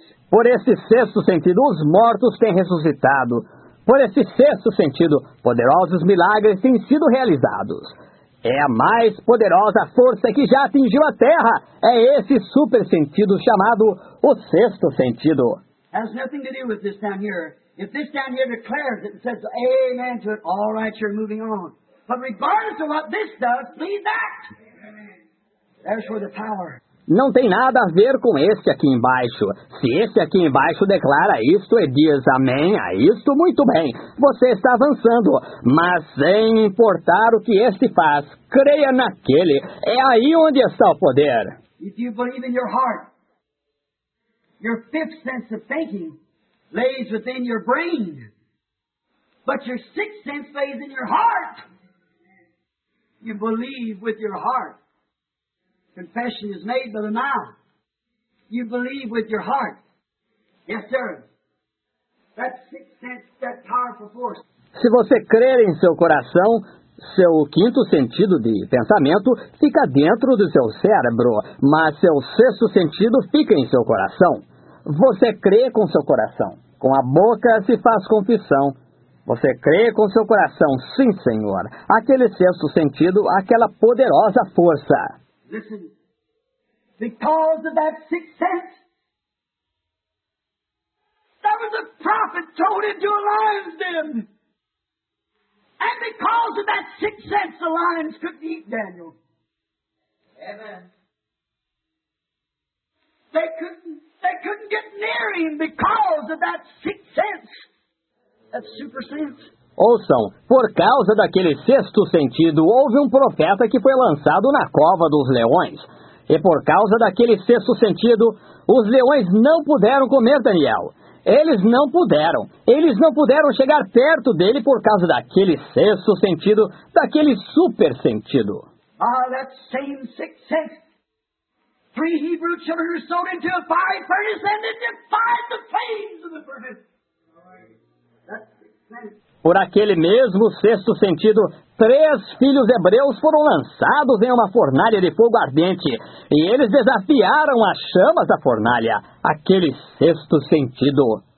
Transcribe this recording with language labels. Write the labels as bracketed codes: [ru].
[pt] Por esse sexto sentido, os mortos têm ressuscitado. Por esse sexto sentido, poderosos milagres têm sido realizados. É a mais poderosa força que já atingiu a Terra. É esse super sentido chamado o sexto sentido. [en] Has nothing to do with this down here. If this down here declares it and says amen to it, all right, you're moving on. But regardless of what this does, leave that. There's where the power. [pt] Não tem nada a ver com este aqui embaixo. Se este aqui embaixo declara isto e diz amém a isto, muito bem. Você está avançando, mas sem importar o que este faz, creia naquele. É aí onde está o poder. [en] If you believe in your heart, your fifth sense of thinking lays within your brain, but your sixth sense lays in your heart. You believe with your heart. Confession is made by the mouth. You believe with your heart. Yes, sir. That sixth sense, that powerful force. [pt] Se você crer em seu coração, seu quinto sentido de pensamento fica dentro do seu cérebro, mas seu sexto sentido fica em seu coração. Você crê com seu coração. Com a boca se faz confissão. Você crê com seu coração, sim, senhor. Aquele sexto sentido, aquela poderosa força. [en] Listen, because of that sixth sense, there was a prophet thrown into a lion's den. And because of that sixth sense, the lions couldn't eat Daniel. Amen. They couldn't get near him because of that sixth sense, that super sense. [pt] Ouçam, por causa daquele sexto sentido, houve um profeta que foi lançado na cova dos leões. E por causa daquele sexto sentido, os leões não puderam comer Daniel. Eles não puderam. Eles não puderam chegar perto dele por causa daquele sexto sentido, daquele super sentido. [en] That same sixth sense. Three Hebrew children were sold into a fiery furnace and it defied the flames of the furnace. [pt] Por aquele mesmo sexto sentido, três filhos hebreus foram lançados em uma fornalha de fogo ardente, e eles desafiaram as chamas da fornalha, aquele sexto sentido.